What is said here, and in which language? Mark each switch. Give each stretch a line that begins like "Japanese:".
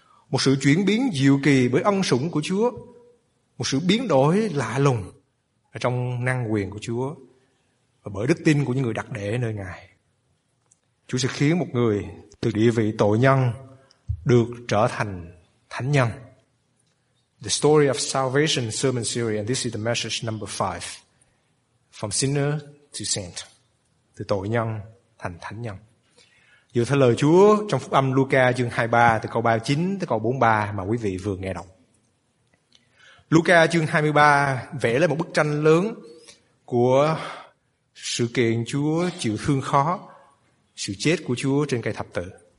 Vietnamese: Một sự chuyển biến diệu kỳ bởi ân sủng của Chúa, một sự biến đổi lạ lùng ở trong năng quyền của Chúa và bởi đức tin của những người đặt để nơi Ngài. Chúa sẽ khiến một người từ địa vị tội nhân được trở thành thánh nhân.
English: The story of salvation sermon series, and this is the message number 5. From sinner to saint.
Vietnamese: Từ tội nhân thành thánh nhân. Dựa theo lời Chúa trong phúc âm Luca chương 23 từ câu 39 tới câu 43 mà quý vị vừa nghe đọc. Luca chương 23 vẽ lên một bức tranh lớn của sự kiện Chúa chịu thương khó, sự chết của Chúa trên cây thập tự.